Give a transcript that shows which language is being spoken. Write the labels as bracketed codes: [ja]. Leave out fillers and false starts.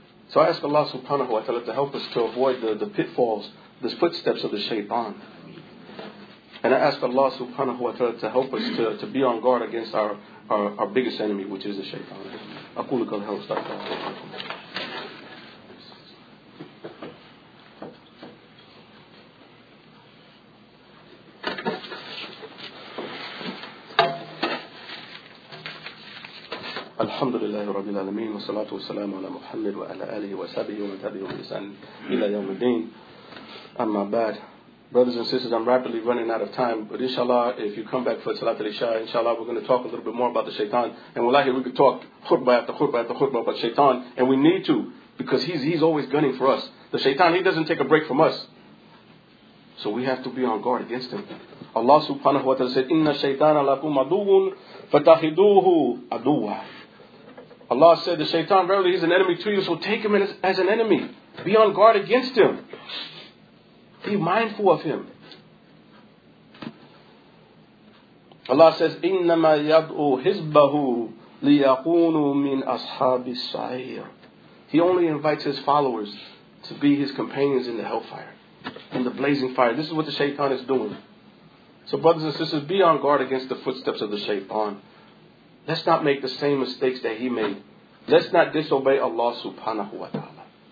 [en] So I ask Allah subhanahu wa ta'ala to help us to avoid the pitfalls, the footsteps of the shaitan. And I ask Allah subhanahu wa ta'ala to help us to be on guard against our biggest enemy, which is the shaitan. [ar] أقول قول هذا استغفر الله الحمد لله رب العالمين والصلاة والسلام على محمد وعلى آله وصحبه ومن تبعهم بإحسان إلى يوم الدين أما بعد. [en] Brothers and sisters, I'm rapidly running out of time, but inshallah, if you come back for Salat al-Isha, inshallah, we're going to talk a little bit more about the shaitan. And wallahi, we could talk khutbah after khutbah after khutbah about shaitan, and we need to, because he's always gunning for us. The shaitan, he doesn't take a break from us. So we have to be on guard against him. Allah subhanahu wa ta'ala said, [ar] إِنَّ الشَّيْطَانَ لَكُمْ عَدُوٌ فَتَخِدُوهُ عَدُوًا. [en] Allah said, the shaitan, verily, he's an enemy to you, so take him as an enemy. Be on guard against him. Be mindful of him. Allah says, [ar] إِنَّمَا يَدْعُوا حِزْبَهُ لِيَقُونُوا مِنْ أَصْحَابِ السَّعِيرِ. [en] He only invites his followers to be his companions in the hellfire, in the blazing fire. This is what the shaitan is doing. So brothers and sisters, be on guard against the footsteps of the shaitan. Let's not make the same mistakes that he made. Let's not disobey Allah subhanahu wa ta'ala.